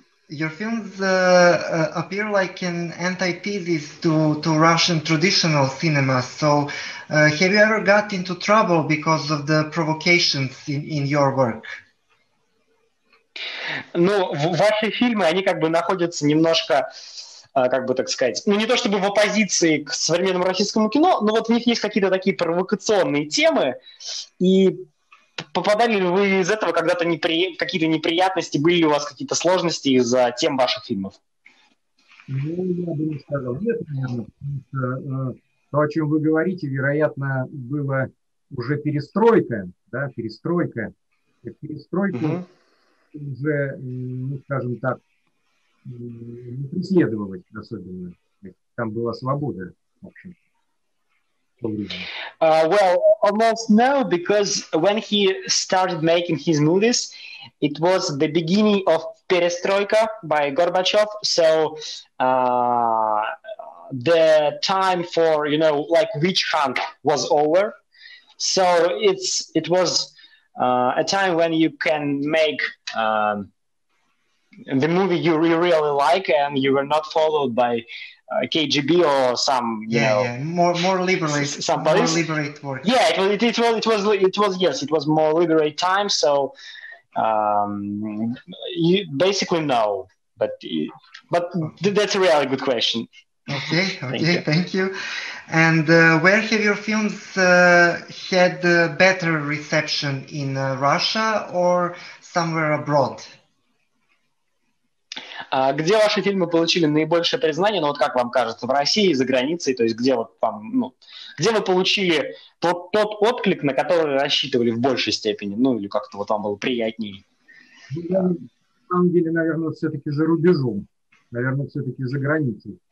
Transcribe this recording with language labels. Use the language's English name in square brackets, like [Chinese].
[English] Your films appear like an antithesis to Russian traditional cinema. So have you ever got into trouble because of the provocations in your work? [Russian] Ну, ваши фильмы, они как бы находятся немножко, как бы так сказать, ну не то чтобы в оппозиции к современному российскому кино, но вот в них есть какие-то такие провокационные темы, и попадали ли вы из этого когда-то какие-то неприятности, были ли у вас какие-то сложности из-за тем ваших фильмов? Ну, я бы не сказал, нет, наверное, потому что то, о чем вы говорите, вероятно, было уже перестройка, да, перестройка. Перестройку уже, ну, скажем так, не преследовать особенно. Там была свобода, в общем. [English] Well, almost no, because when he started making his movies, it was the beginning of Perestroika by Gorbachev. So the time for, you know, like witch hunt was over. So it was a time when you can make the movie you really like, and you were not followed by KGB or some, more liberate, some police. More liberate work. Yeah, it was more liberate time. So, you basically know, but that's a really good question. Okay, thank you. And where have your films had better reception, in Russia or somewhere abroad? [Russian] Где ваши фильмы получили наибольшее признание? Ну вот как вам кажется, в России, за границей, то есть где вот вам, ну, где вы получили тот отклик, на который рассчитывали в большей степени, ну или как-то вот вам было приятнее? На самом деле, наверное, все-таки за рубежом, наверное, все-таки за границей.